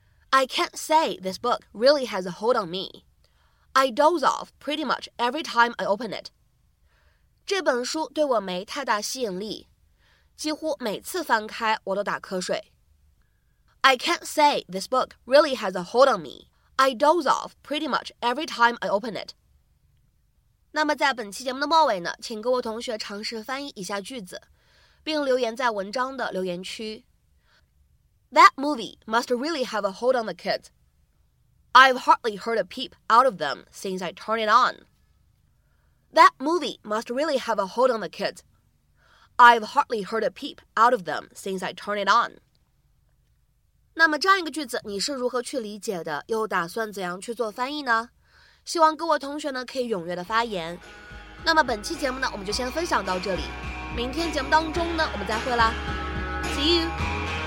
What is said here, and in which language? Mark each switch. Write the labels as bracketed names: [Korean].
[English] I can't say this book really has a hold on me. I doze off pretty much every time I open it. [Chinese] 这本书对我没太大吸引力，几乎每次翻开我都打瞌睡。 [English] I can't say this book really has a hold on me. I doze off pretty much every time I open it. [Chinese] 那么在本期节目的末尾呢，请各位同学尝试翻译一下句子，并留言在文章的留言区。 [English] That movie must really have a hold on the kids. I've hardly heard a peep out of them since I turned it on. That movie must really have a hold on the kids. I've hardly heard a peep out of them since I turned it on. [Chinese] 那么这样一个句子你是如何去理解的，又打算怎样去做翻译呢？希望各位同学呢可以踊跃的发言。那么本期节目呢我们就先分享到这里，明天节目当中呢我们再会啦。 [English] See you!